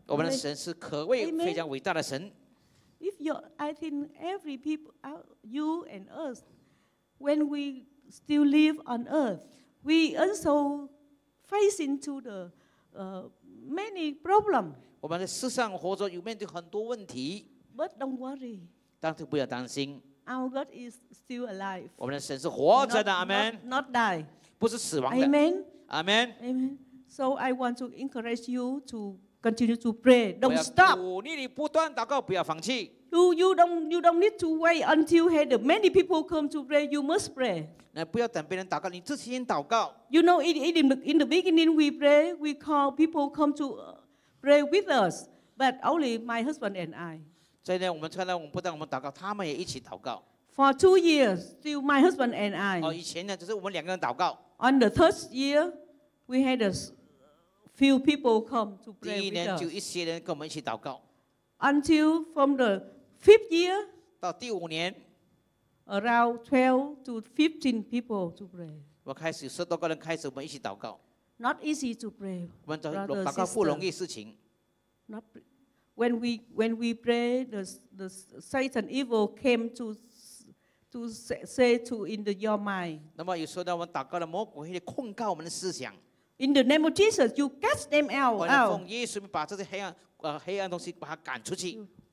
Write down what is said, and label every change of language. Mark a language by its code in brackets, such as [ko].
[zh] 我们的神是可畏非常伟大的神。 [en] If you, I think every people, you and us, when we still live on earth, we also facing to the many problem. [zh] 我们在世上活着，有面对很多问题。 [en] But don't worry. [zh] 但是不要担心。 [en] Our God is still alive. [zh] 我们的神是活着的。Amen. [en] Not die. [zh] 不是死亡的。 [en] Amen. Amen. Amen. So I want to encourage you to continue to pray. Don't stop. [zh] 鼓励你不断祷告，不要放弃。 [en] You don't need to wait until have the many people come to pray. You must pray. [zh] 那不要等别人祷告，你自己先祷告。 [en] You know, in the beginning we pray, we call people come to pray with us, but only my husband and I. [zh] 在那我们不但我们祷告，他们也一起祷告。 [en] For 2 years, still my husband and I. [zh] 哦，以前呢，只是我们两个人祷告。 [en] On the third year, we had a few people come to pray with us. [zh] 第一年就一些人跟我们一起祷告。 [en] Until from the fifth year, [zh] 到第五年, [en] around 12 to 15 people to pray. [zh] 我开始十多个人开始我们一起祷告。 [en] Not easy to pray. [zh] 我们祷告不容易事情。 [en] Not when we pray, the Satan evil came to say to in the your mind. [zh] 那么有说到我们祷告的魔鬼会控告我们的思想。 [en] In the name of Jesus, you cast them out. [zh] 我们奉耶稣把这些黑暗 黑暗东西把它赶出去。